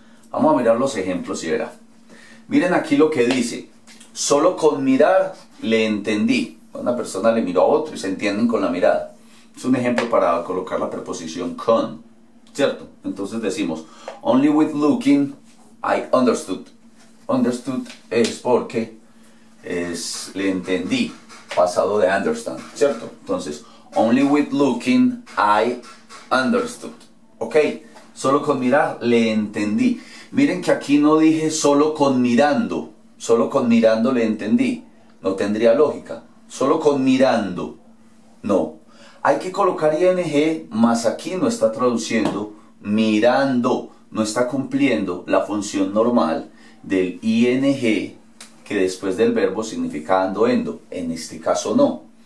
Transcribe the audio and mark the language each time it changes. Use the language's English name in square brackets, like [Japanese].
[Spanish] Vamos a mirar los ejemplos y verá. Miren aquí lo que dice. Solo con mirar le entendí. Una persona le miró a otro y se entienden con la mirada. Es un ejemplo para colocar la preposición con, ¿cierto? [English] Entonces decimos, only with looking I understood. [Spanish] Understood es porque es le entendí, pasado de understand, ¿cierto? [English] Entonces, only with looking, I understood. [Spanish] Ok, solo con mirar, le entendí. Miren que aquí no dije solo con mirando le entendí. No tendría lógica, solo con mirando, no. Hay que colocar ING, mas aquí no está traduciendo mirando, no está cumpliendo la función normal del ING, que después del verbo significa ando-endo, en este caso no.